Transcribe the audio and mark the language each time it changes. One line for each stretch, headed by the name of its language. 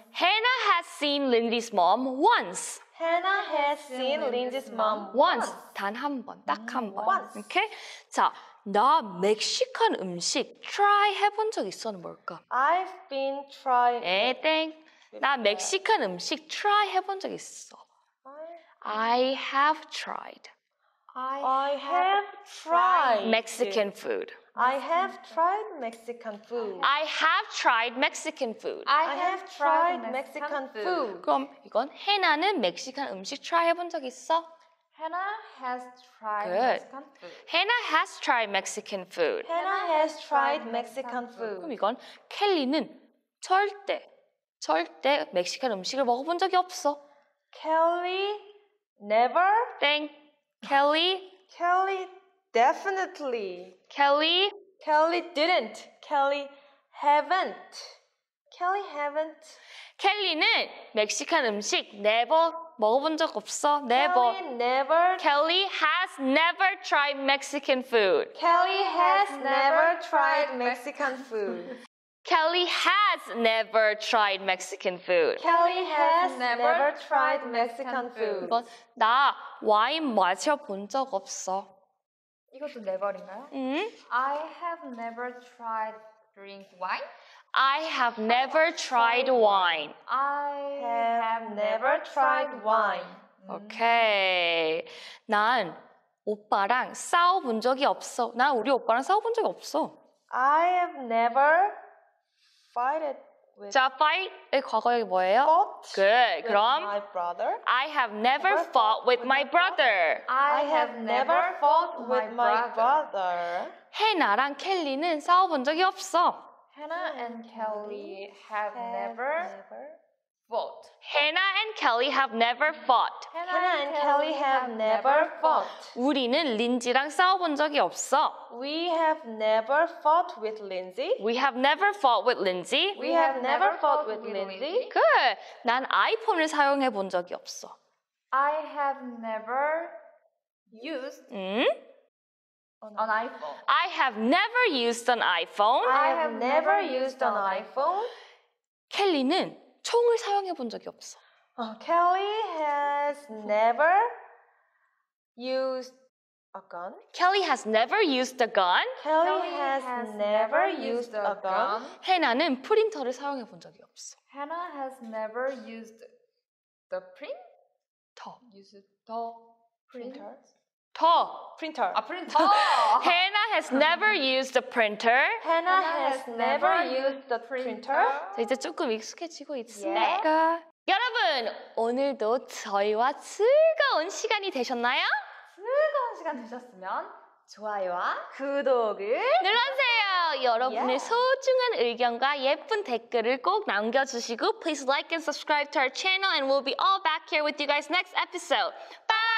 English: Hannah has seen Lindsay's mom once. Hannah has seen Lindsay's mom once.
Korean: 단 한 번, 딱 한 번.
English: Once. Okay?
Korean: 자, 나 멕시칸 음식 try 해본 적 있어는 뭘까?
English: I've been trying.
Korean: 에이, 땡. 나 멕시칸 음식 try 해본 적 있어.
English: I have tried. I have tried. Mexican food. I have tried Mexican food. I have tried Mexican food. I have tried Mexican food.
Korean: 그럼 이건 해나는 멕시칸 음식 try 해본 적 있어?
English: Hannah has tried Good. Mexican food. Hannah has tried Mexican food. Hannah has tried Mexican food.
Korean: 그럼 이건 켈리는 절대, 절대 멕시칸 음식을 먹어본 적이 없어.
English: Kelly never? Thank Kelly. Kelly definitely. Kelly? Kelly didn't. Kelly haven't. Kelly haven't.
Korean: 켈리는 멕시칸 음식 never 먹어본 적 없어.
English: Never. Kelly never. Kelly has never tried Mexican food. Kelly has never tried Mexican food. Kelly has never tried Mexican food. Kelly has never tried Mexican food.
Korean: 이건 나 와인 마셔본 적 없어. 이것도 never인가요? 응.
English: I have never tried drink wine. I have never tried wine. I have never tried wine. Okay.
Korean: 난 오빠랑 싸워본 적이 없어. 난 우리 오빠랑 싸워본 적이 없어.
English: I have never fighted with.
Korean: 자, fight의 과거형이 뭐예요?
English: Fought. Good. With
Korean: 그럼
English: my brother. I have never fought with my brother. I have never fought with my brother.
Korean: 해나랑 켈리는 싸워본 적이 없어.
English: Hannah and Kelly have never fought. Hannah and Kelly have never fought. Hannah and Kelly have never fought.
Korean: 우리는 린지랑 싸워본 적이 없어.
English: We have never fought with Lindsay. We have never fought with Lindsay. We have never fought with Lindsay. Good.
Korean: 난 아이폰을 사용해 본 적이 없어.
English: I have never used.
Korean: 응?
English: An iPhone. I have never used an iPhone. I have never used an iPhone.
Korean: 켈리는 총을 사용해 본 적이 없어.
English: Kelly has never used a gun. Kelly has never used a gun. Kelly has never used a gun.
Korean: 해나는 프린터를 사용해 본 적이 없어.
English: Hannah has never used the printer. Used the printer.
Korean: 더!
English: Printer. 아, printer. Hannah has never used a printer. Hannah has never used a printer.
Korean: 자, 이제 조금 익숙해지고 있습니다.
English: Yeah.
Korean: 여러분, 오늘도 저희와 즐거운 시간이 되셨나요? 즐거운 시간 되셨으면 좋아요와 구독을 눌러주세요. 여러분의 소중한 의견과 예쁜 댓글을 꼭 남겨주시고
English: Please like and subscribe to our channel and we'll be all back here with you guys next episode. Bye!